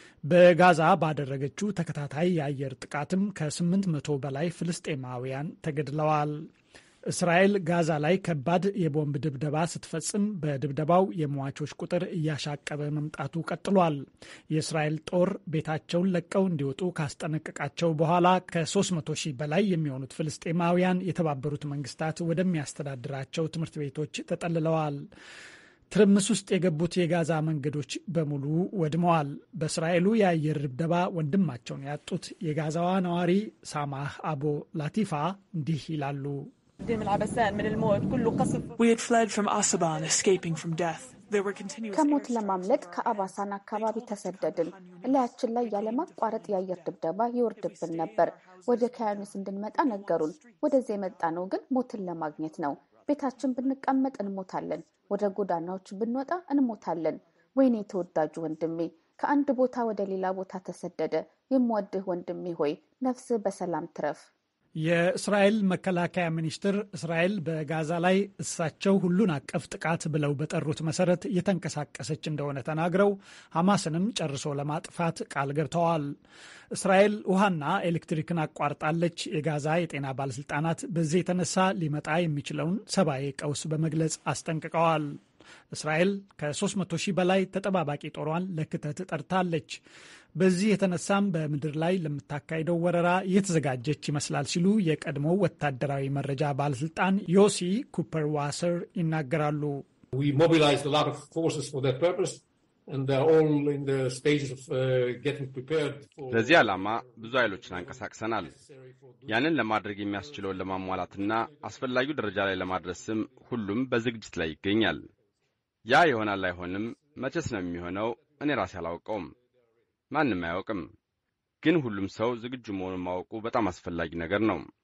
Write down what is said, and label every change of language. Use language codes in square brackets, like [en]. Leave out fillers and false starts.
[am] በጋዛ ባደረገችው ተከታታይ የአየር ጥቃትም ከ800 በላይ ፍልስጤማውያን ተገድለዋል። እስራኤል ጋዛ ላይ ከባድ የቦምብ ድብደባ ስትፈጽም በድብደባው የሟቾች ቁጥር እያሻቀበ መምጣቱ ቀጥሏል። የእስራኤል ጦር ቤታቸውን ለቀው እንዲወጡ ካስጠነቀቃቸው በኋላ ከ300,000 በላይ የሚሆኑት ፍልስጤማውያን የተባበሩት መንግስታት ወደሚያስተዳድራቸው ትምህርት ቤቶች ተጠልለዋል። ትርምስ ውስጥ የገቡት የጋዛ መንገዶች በሙሉ ወድመዋል። በእስራኤሉ የአየር ድብደባ ወንድማቸውን ያጡት የጋዛዋ ነዋሪ ሳማህ አቡ ላቲፋ እንዲህ ይላሉ። [en] We had fled from Asaban, escaping from death. There were continuous airstrikes. [am] ከሞት ለማምለጥ ከአባሳን አካባቢ ተሰደድን። እላያችን ላይ ያለማቋረጥ የአየር ድብደባ ይወርድብን ነበር። ወደ ካያኑስ እንድንመጣ ነገሩን። ወደዚያ የመጣነው ግን ሞትን ለማግኘት ነው። ቤታችን ብንቀመጥ እንሞታለን። ወደ ጎዳናዎች ብንወጣ እንሞታለን። ወይኔ ተወዳጁ ወንድሜ ከአንድ ቦታ ወደ ሌላ ቦታ ተሰደደ። የምወድህ ወንድሜ ሆይ ነፍስ በሰላም ትረፍ። የእስራኤል መከላከያ ሚኒስትር እስራኤል በጋዛ ላይ እሳቸው ሁሉን አቀፍ ጥቃት ብለው በጠሩት መሰረት የተንከሳቀሰች እንደሆነ ተናግረው ሐማስንም ጨርሶ ለማጥፋት ቃል ገብተዋል። እስራኤል ውሃና ኤሌክትሪክን አቋርጣለች። የጋዛ የጤና ባለስልጣናት በዚህ የተነሳ ሊመጣ የሚችለውን ሰብአዊ ቀውስ በመግለጽ አስጠንቅቀዋል። እስራኤል ከ300,000 በላይ ተጠባባቂ ጦሯን ለክተት ጠርታለች። በዚህ የተነሳም በምድር ላይ ለምታካሂደው ወረራ የተዘጋጀች ይመስላል ሲሉ የቀድሞ ወታደራዊ መረጃ ባለስልጣን ዮሲ ኩፐር ዋሰር ይናገራሉ። [en] We mobilized a lot of forces for that purpose and they're all in the stages of getting prepared for [am] ለዚህ ዓላማ ብዙ ኃይሎችን አንቀሳቅሰናል። ያንን ለማድረግ የሚያስችለውን ለማሟላትና አስፈላጊው ደረጃ ላይ ለማድረስም ሁሉም በዝግጅት ላይ ይገኛል። ያ ይሆናል አይሆንም መቼስ ነው የሚሆነው እኔ ራሴ አላውቀውም። ማንም አያውቅም። ግን ሁሉም ሰው ዝግጁ መሆኑን ማወቁ በጣም አስፈላጊ ነገር ነው።